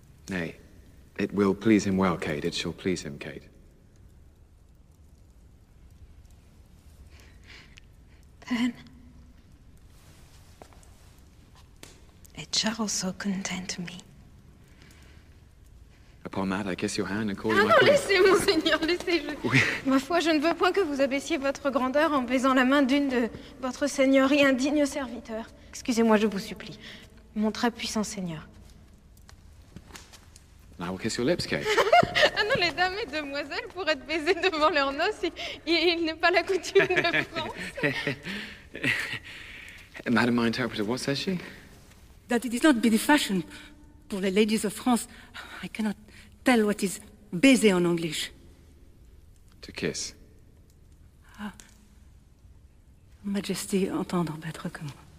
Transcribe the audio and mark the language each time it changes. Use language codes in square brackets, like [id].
[en] Nay, it will please him well, Kate. It shall please him, Kate. Then, it shall also content me. Upon that, I kiss your hand and call ah you my [fr] non, [en] queen. [fr] Laissez, monseigneur, laissez. Je... Oui. Ma foi, je ne veux point que vous abaissiez votre grandeur en baisant la main d'une de votre seigneurie indigne serviteur. Excusez-moi, je vous supplie. Mon très puissant seigneur. [en] I will kiss your lips, Kate. [fr] Ah non, les dames et demoiselles, pour être baisées devant leurs noces, il n'est pas la coutume de France. [en] Madame, my interpreter, what says she? That it is not be the fashion for the ladies of France. I cannot Tell what is baiser in English. To kiss. Majesty, entendre battre comme.